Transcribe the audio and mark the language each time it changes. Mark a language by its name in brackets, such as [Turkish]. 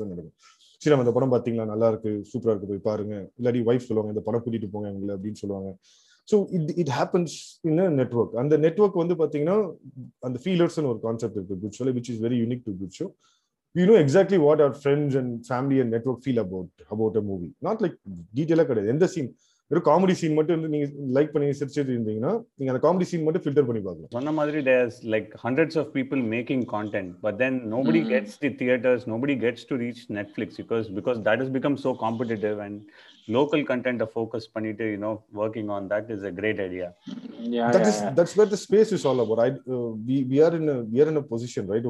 [English] If you see the film, it's good, super good. If you see the wife, you can go to the film. So it happens in a network. And the network, you know, and the feelers and the concept of Good Show, which is very unique to Good Show. We know exactly what our friends and family and network feel about a movie. Not like detail, but in the scene. [Tamil] ஒரு comedy scene மட்டும் வந்து நீங்க like பண்ணி search செய்து இருந்தீங்கன்னா நீங்க அந்த comedy scene மட்டும் ஃபில்டர் பண்ணி பார்க்கலாம். சொன்ன மாதிரி [English] there's like hundreds of people making content, but then nobody gets the theaters, nobody gets to reach Netflix because that has become so competitive, and local content of focus பண்ணிட்டு you know working on that is a great idea. That's where the space is all about. We are in a position, right?